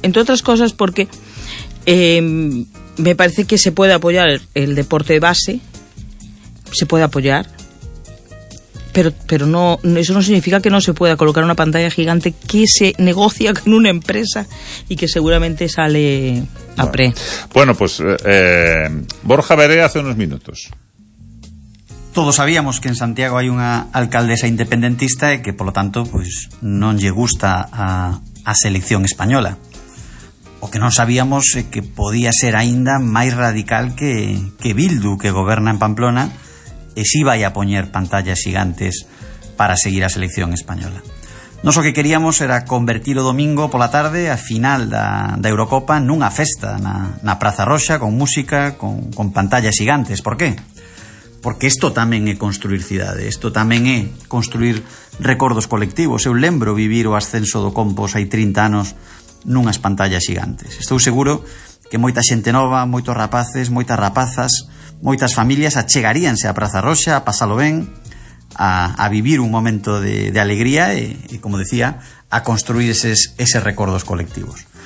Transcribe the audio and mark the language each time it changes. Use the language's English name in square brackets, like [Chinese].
[Spanish] Entre otras cosas porque me parece que se puede apoyar el deporte de base, se puede apoyar, pero no, eso no significa que no se pueda colocar una pantalla gigante que se negocia con una empresa y que seguramente sale... Bueno, pues Borja Veré hace unos minutos. Todos sabíamos que en Santiago hay una alcaldesa independentista e que, por lo tanto, pues [Galician] non lle gusta a selección española. O que non sabíamos é que podía ser aínda máis radical que Bildu, que goberna en Pamplona, e si vai a poñer pantallas gigantes para seguir a selección española. Nos o que queríamos era convertir o domingo pola tarde a final da Eurocopa nunha festa na Praza Roxa, con música, con pantallas gigantes. Por qué? Porque isto tamén é construir cidade, isto tamén é construir recordos colectivos. Eu lembro vivir o ascenso do Compos hai 30 anos nunhas pantallas gigantes. Estou seguro que moita xente nova, moitos rapaces, moitas rapazas, moitas familias achegaríanse á Praza Roxa a pasalo ben, a vivir un momento de alegría e, como decía, a construir eses recordos colectivos.